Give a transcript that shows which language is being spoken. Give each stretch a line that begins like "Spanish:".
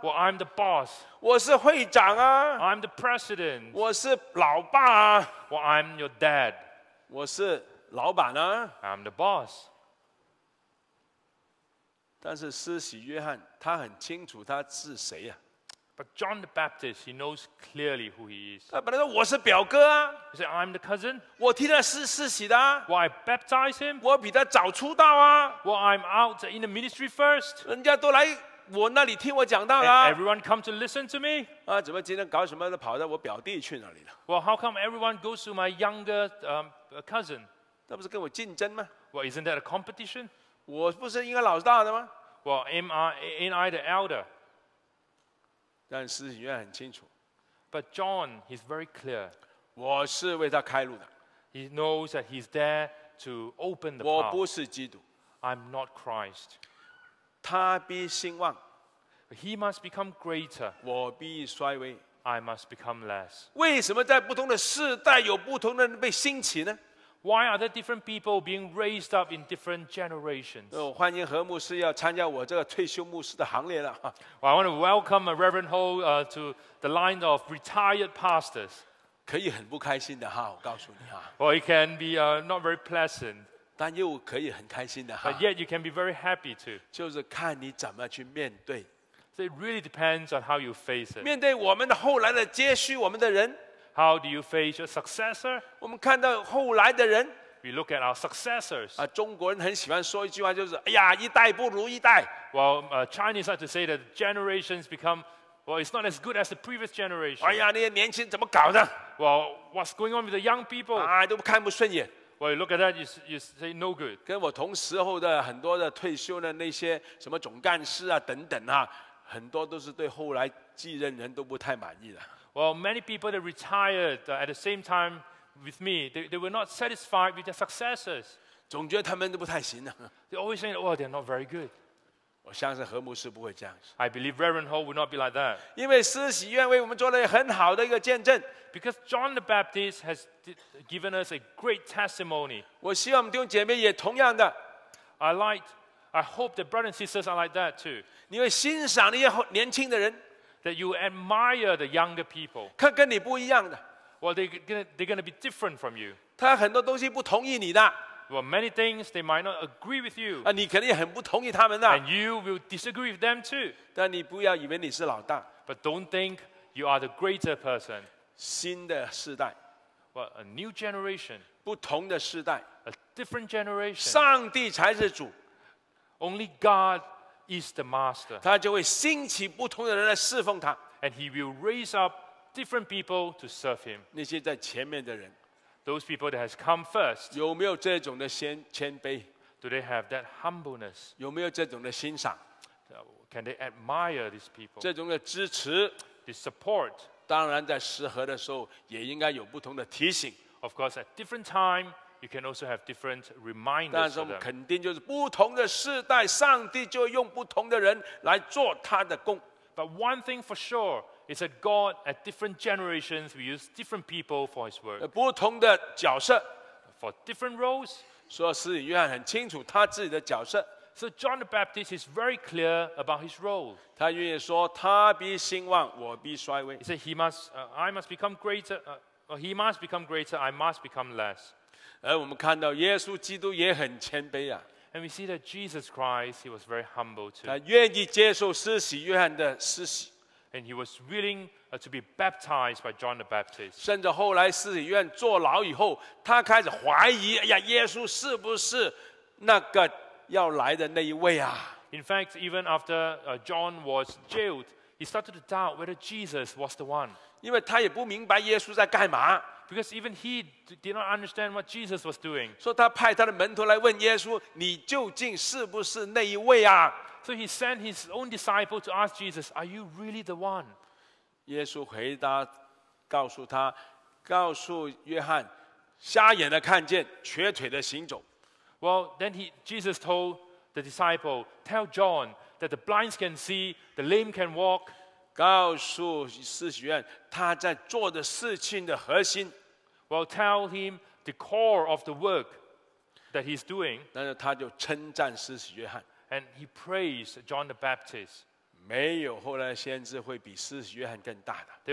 English: Well, I'm the boss.
Chinese: 我是会长啊。
English: I'm the president.
Chinese: 我是老爸啊。
English: Well, I'm your dad.
Chinese: 我是老板啊。
English: I'm the boss.
Chinese: 但是施洗约翰他很清楚他是谁啊。
English: But John the Baptist, he knows clearly who he is.
Chinese: 他本来说我是表哥啊。
English: He said, I'm the cousin.
Chinese: 我替他施洗的啊。
English: Well, I baptize him.
Chinese: 我比他早出道啊。
English: Well, I'm out in the ministry first.
Chinese: 人家都来我那里听我讲道啊。
English: Everyone come to listen to me.
Chinese: 啊，怎么今天搞什么的跑到我表弟去那里了？
English: Well, how come everyone goes to my younger cousin?
Chinese: 那不是跟我竞争吗？
English: Well, isn't that a competition?
Chinese: 我不是应该老大的吗？
English: Well, am I the elder?
Chinese: 但施洗约翰很清楚。
English: But John, he's very clear.
Chinese: 我是为他开路的。
English: He knows that he's there to open the path.
Chinese: 我不是基督。
English: I'm not Christ.
Chinese: 他必兴旺。
English: He must become greater.
Chinese: 我必衰微。
English: I must become less.
Chinese: 为什么在不同的世代有不同的人被兴起呢？
English: Why are there different people being raised up in different generations?
Chinese: 欢迎何牧师要参加我这个退休牧师的行列了。
English: Well, I want to welcome a Reverend Ho to the line of retired pastors.
Chinese: 可以很不开心的哈，我告诉你哈。
English: Well, it can be not very pleasant.
Chinese: 但又可以很开心的哈。
English: But yet you can be very happy too.
Chinese: 就是看你怎么去面对。
English: So it really depends on how you face it.
Chinese: 面对我们的后来的接续我们的人。
English: How do you face your successor?
Chinese: 我们看到后来的人
English: We look at our successors.
Chinese: 中国人很喜欢说一句话，就是哎呀，一代不如一代。
English: Well, Chinese like to say that generations become, well, it's not as good as the previous generation.
Chinese: 哎呀，那些年轻怎么搞的？
English: Well, what's going on with the young people?
Chinese: 啊，都看不顺眼。
English: Well, you look at that, you say no good.
Chinese: 跟我同时候的很多的退休的那些什么总干事啊等等啊，很多都是对后来继任人都不太满意的。
English: Well, many people that retired at the same time with me, they were not satisfied with their successors.
Chinese: 总觉得他们都不太行了。
English: They always say, "Oh, they're not very good."
Chinese: 我相信何牧师不会这样。
English: I believe Reverend Ho would not be like that.
Chinese: 因为施洗约为我们做了很好的一个见证。
English: Because John the Baptist has given us a great testimony.
Chinese: 我希望我们弟兄姐妹也同样的。
English: I hope that brothers and sisters are like that too.
Chinese: 你会欣赏那些年轻的人。
English: That you admire the younger people.
Chinese: 他跟你不一样的。
English: Well, they're going to be different from you.
Chinese: 他很多东西不同意你的。
English: Well, many things they might not agree with you.
Chinese: 你肯定很不同意他们的。
English: And you will disagree with them too.
Chinese: 但你不要以为你是老大。
English: But don't think you are the greater person.
Chinese: 新的世代。
English: Well, a new generation.
Chinese: 不同的世代。
English: A different generation.
Chinese: 上帝才是主。
English: Only God is the master.
Chinese: 他就会兴起不同的人来侍奉他。
English: And he will raise up different people to serve him.
Chinese: 那些在前面的人。
English: Those people that has come first.
Chinese: 有没有这种的谦卑？
English: Do they have that humbleness?
Chinese: 有没有这种的欣赏？
English: Can they admire these people?
Chinese: 这种的支持。
English: The support.
Chinese: 当然在适合的时候也应该有不同的提醒。
English: Of course, at different time,You can also have different reminders.
Chinese: 但是我们肯定就是不同的世代，上帝就用不同的人来做他的工。
English: But one thing for sure is that God, at different generations, we use different people for His work.
Chinese: 不同的角色
English: ，for different roles.
Chinese: 所以使徒约翰很清楚他自己的角色。
English: So John the Baptist is very clear about his role.
Chinese: 他愿意说，他必兴旺，我必衰微。
English: He said, "He must, I must become greater. He must become greater. I must become less."
Chinese: 而我们看到耶稣基督也很谦卑啊。
English: And we see that Jesus Christ, he was very humble too.
Chinese: 他愿意接受施洗约翰的施洗。
English: And he was willing to be baptized by John the Baptist.
Chinese: 甚至后来施洗约翰坐牢以后，他开始怀疑，哎呀，耶稣是不是那个要来的那一位啊？
English: In fact, even after John was jailed, he started to doubt whether Jesus was the one.
Chinese: 因为他也不明白耶稣在干嘛。
English: Because even he did not understand what Jesus was doing.
Chinese: 说他派他的门徒来问耶稣，你究竟是不是那一位啊？
English: So he sent his own disciple to ask Jesus, "Are you really the one?"
Chinese: 耶稣回答，告诉他，告诉约翰，瞎眼的看见，瘸腿的行走。
English: Well, then Jesus told the disciple, "Tell John that the blind can see, the lame can walk."
Chinese: 告诉施洗约翰。他在做的事情的核心
English: Well, tell him the core of the work that he's doing.
Chinese: 但是他就称赞施洗约翰
English: And he praised John the Baptist.
Chinese: 没有后来先知会比施洗约翰更大的